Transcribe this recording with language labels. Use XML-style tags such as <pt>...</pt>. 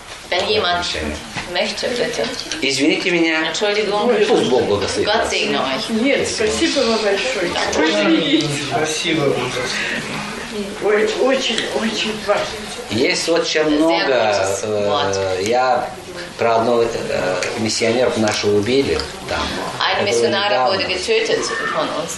<de>Wenn jemand möchte, bitte.</de> <ru>Извините меня.</ru> <de>Entschuldigung. Gott segne euch.</de> <ru>Нет, спасибо вам большое. Спасибо вам. Очень, очень важно. Есть очень много. Я про одну миссионеров нашу убили там.</ru> <de>Ein Missionar wurde getötet von uns.</de>